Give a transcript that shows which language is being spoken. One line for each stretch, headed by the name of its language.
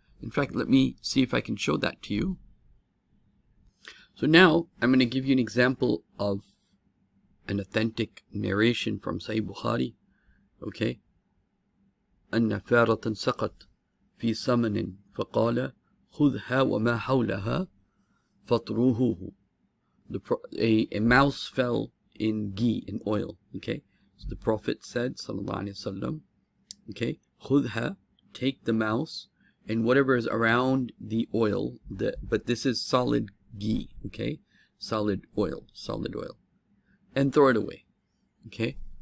English: In fact, let me see if I can show that to you. So now I'm going to give you an example of an authentic narration from Sahih Bukhari. Okay.
Arabic: أن فارة سقط في سمن فقال خذها وما حولها فطروه.
English: A mouse fell in ghee, in oil. Okay. So the Prophet said, sallallahu alayhi wa sallam, okay,
Arabic: خُذْهَا,
English: take the mouse and whatever is around the oil, but this is solid ghee, okay? Solid oil. And throw it away. Okay.